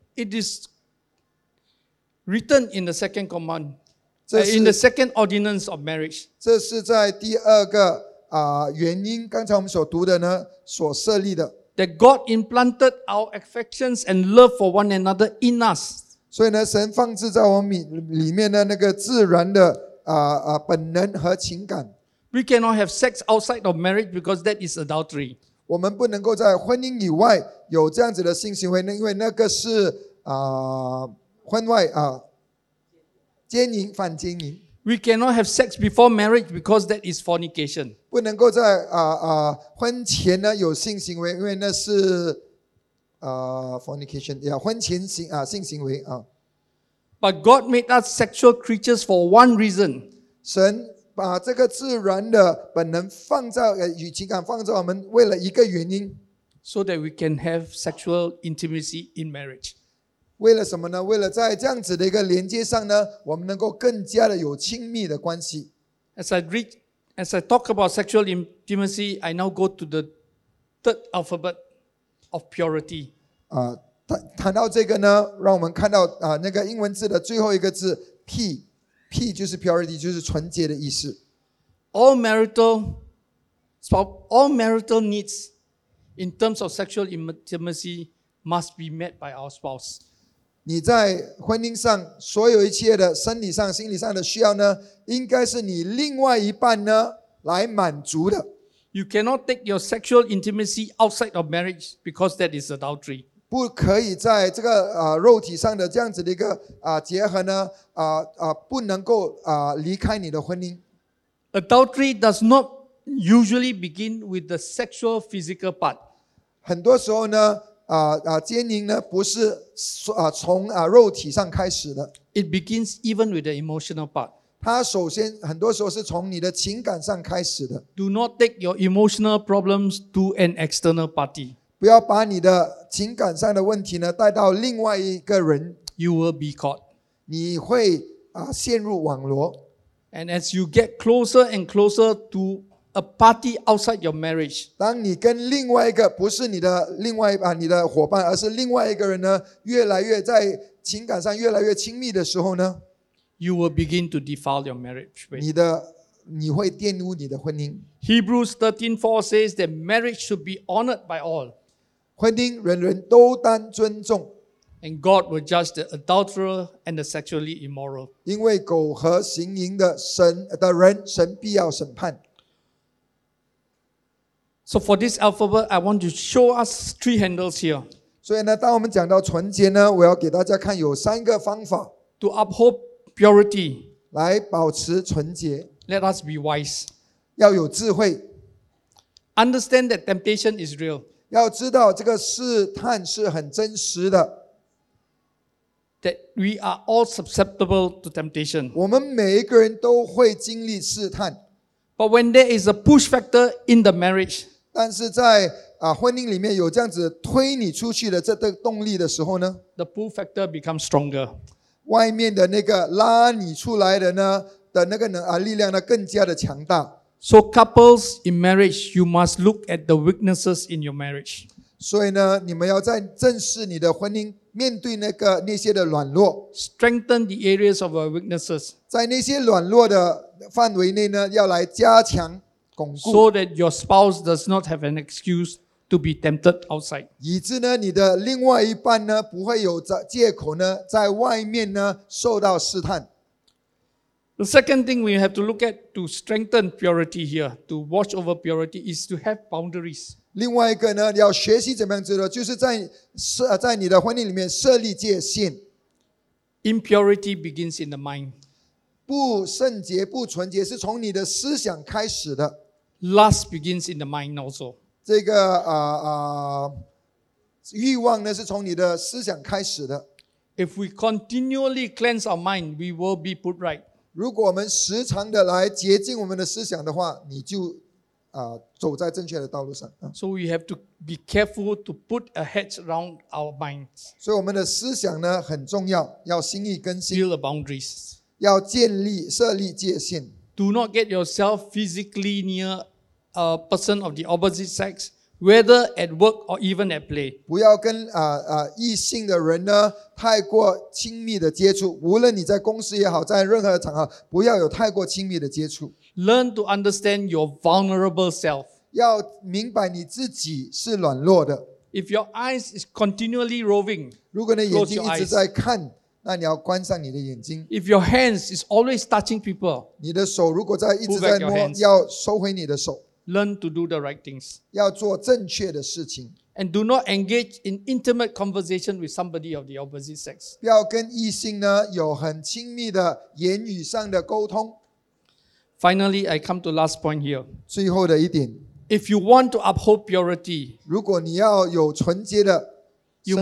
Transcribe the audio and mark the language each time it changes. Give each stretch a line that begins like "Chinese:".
English: It is. Written in the second command, in the second ordinance of marriage.
Chinese: 这是在第二个啊、原因，刚才我们所读的呢，所设立的。
English: That God implanted our affections and love for one another in us.
Chinese: 所以呢，神放置在我们里面的那个自然的啊啊、本能和情感。
English: We cannot have sex outside of marriage because that is adultery.
Chinese: 我们不能够在婚姻以外有这样子的性行为，因为那个是啊。婚外啊，奸淫犯奸淫。
English: We cannot have sex before marriage because that is fornication.
Chinese: 不能够在啊啊、婚前呢有性行为，因为那是啊、fornication， 呀、婚前性啊、性行为啊。
English: But God made us sexual creatures for one reason.
Chinese: 神把这个自然的本能放在与情感放在我们，为了一个原因
English: ，so that we can have sexual intimacy in marriage.
Chinese: 为了什么呢？为了在这样子的一个连接上呢，我们能够更加的有亲密的关系。
English: As I talk about sexual intimacy, I now go to the third alphabet of purity.
Chinese: 啊、谈到这个呢，让我们看到啊、那个英文字的最后一个字 P 就是 purity， 就是纯洁的意思。
English: All marital needs in terms of sexual intimacy must be met by our spouse.
Chinese: 你在婚姻上所有一切的生理上心理上的需要呢，应该是你另外一半呢来满足的。
English: You cannot take your sexual intimacy outside of marriage because that is adultery.
Chinese: 不可以在这个、肉体上的这样子的一个、结合呢、不能够、离开你的婚姻。
English: Adultery does not usually begin with the sexual physical part.
Chinese: 很多时候呢奸淫呢不是、从、肉体上开始的。
English: It begins even with the emotional part.
Chinese: 它首先很多时候是从你的情感上开始的。
English: Do not take your emotional problems to an external party.
Chinese: 不要把你的情感上的问题呢带到另外一个人。
English: You will be caught.
Chinese: 你会、陷入网罗。
English: And as you get closer and closer toA party outside your marriage.
Chinese: 当你跟另外一个不是你的另外啊你的伙伴，而是另外一个人呢，越来越在情感上越来越亲密的时候呢
English: ，You will begin to defile your marriage.
Chinese: 你会玷污你的婚姻。
English: Hebrews 13:4 says that marriage should be honored by all.
Chinese: 婚姻人人都当尊重。
English: And God will judge the adulterer and the sexually immoral.
Chinese: 因为苟合行淫的人，神必要审判。
English: So for this alphabet, I want to show us three handles here.
Chinese: 所以呢，当我们讲到纯洁呢，我要给大家看有三个方法
English: to uphold purity,
Chinese: 来保持纯洁。
English: Let us be wise,
Chinese: 要有智慧。
English: understand that temptation is real.
Chinese: 要知道这个试探是很真实的。
English: That we are all susceptible to temptation.
Chinese: 我们每一个人都会经历试探。
English: But when there is a push factor in the marriage,
Chinese: 但是在婚姻里面有这样子推你出去的这个动力的时候呢
English: ，the pull factor becomes stronger.
Chinese: 外面的那个拉你出来的呢的那个能啊力量呢更加的强大。
English: So couples in marriage, you must look at the weaknesses in your marriage.
Chinese: 所以呢，你们要在正视你的婚姻。面对那个那些的软弱
English: ，strengthen the areas of our weaknesses，
Chinese: 在那些软弱的范围内呢，要来加强巩固
English: ，so that your spouse does not have an excuse to be tempted outside，
Chinese: 以致呢，你的另外一半呢，不会有借口呢，在外面呢受到试探。
English: The second thing we have to look at to strengthen purity here, to watch over purity, is to have boundaries.
Chinese: 另外一个呢，要学习怎么样子的，就是在你的婚姻里面设立界限。
English: Impurity begins in the mind.
Chinese: 不圣洁、不纯洁是从你的思想开始的。
English: Lust begins in the mind also.
Chinese: 这个欲望呢，是从你的思想开始的。
English: If we continually cleanse our mind, we will be put right.
Chinese: 如果我们时常的来洁净我们的思想的话，你就走在正确的道路上。
English: So we have to be careful to put a hedge around our minds.
Chinese: 所以我们的思想呢很重要，要心意更新。
English: Build the boundaries.
Chinese: 要建立设立界限。
English: Do not get yourself physically near a person of the opposite sex, whether at work or even at play.
Chinese: 不要跟异性的人呢。太过亲密的接触，无论你在公司也好，在任何场合，不要有太过亲密的接触。
English: Learn to understand your vulnerable self.
Chinese: 要明白你自己是软弱的。
English: If your eyes is continually roving,
Chinese: 如果你眼睛一直在看，那你要关上你的眼睛。
English: If your hands is always touching people,
Chinese: 你的手如果在一直在摸，要收回你的手。
English: Learn to do the right things.
Chinese: 要做正确的事情。
English: And do not engage in intimate conversation with somebody of the opposite sex.
Chinese: 不要跟异性呢有很亲密的言语上的沟通。
English: Finally, I come to last point here.
Chinese: 最后的一点。
English: If you want to uphold purity,
Chinese: 如果你要有纯洁的生命，